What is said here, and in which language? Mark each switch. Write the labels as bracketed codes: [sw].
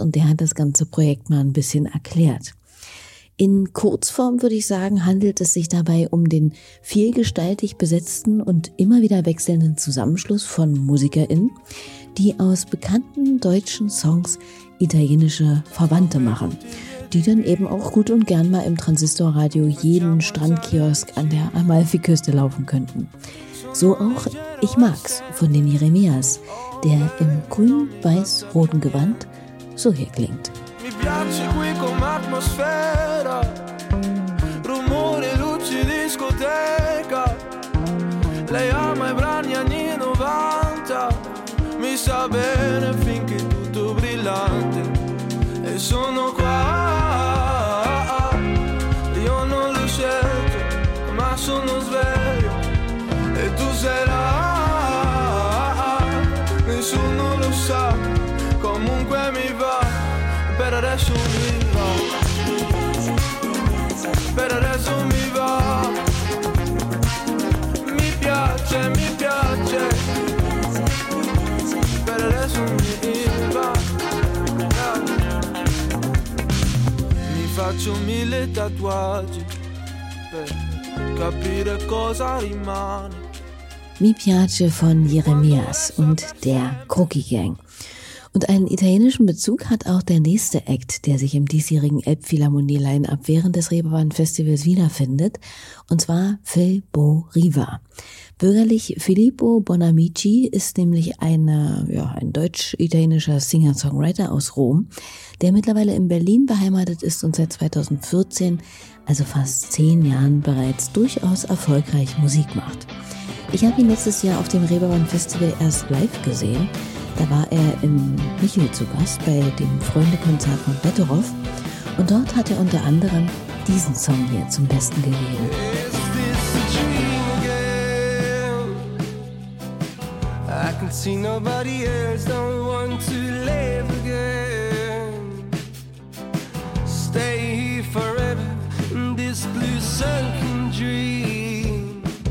[de] Und der hat das ganze Projekt mal ein bisschen erklärt. In Kurzform würde ich sagen, handelt es sich dabei um den vielgestaltig besetzten und immer wieder wechselnden Zusammenschluss von MusikerInnen, die aus bekannten deutschen Songs italienische Verwandte machen, die dann eben auch gut und gern mal im Transistorradio jeden Strandkiosk an der Amalfiküste laufen könnten. So auch Ich mag's von den Jeremias, der im grün-weiß-roten Gewand so hier klingt. [it] Mi piace qui come atmosfera, rumore, luci, discoteca. Lei ama i brani anni 90, mi sa bene finché tutto brillante. E sono qua, io non l'ho scelto, ma sono sveglio. E tu sei là, nessuno lo sa, comunque mi va. Per adesso mi va, per adesso mi va. Mi piace, per adesso mi va. Mi faccio mille tatuaggi per capire cosa rimane. [de] Mi piace von Jeremias und der Crookie Gang. Und einen italienischen Bezug hat auch der nächste Act, der sich im diesjährigen Elbphilharmonie-Line-Up während des Reeperbahn-Festivals wiederfindet, und zwar Phil Bo Riva. Bürgerlich Filippo Bonamici ist nämlich ein deutsch-italienischer Singer-Songwriter aus Rom, der mittlerweile in Berlin beheimatet ist und seit 2014, also fast 10 Jahren, bereits durchaus erfolgreich Musik macht. Ich habe ihn letztes Jahr auf dem Reeperbahn-Festival erst live gesehen. Da war er in Michel zu Gast bei dem Freundekonzert von Betteroff. Und dort hat er unter anderem diesen Song hier zum Besten gegeben. [en] Is this a dream again? I can see nobody else, don't want to live again. Stay here forever in this blue sunken dream.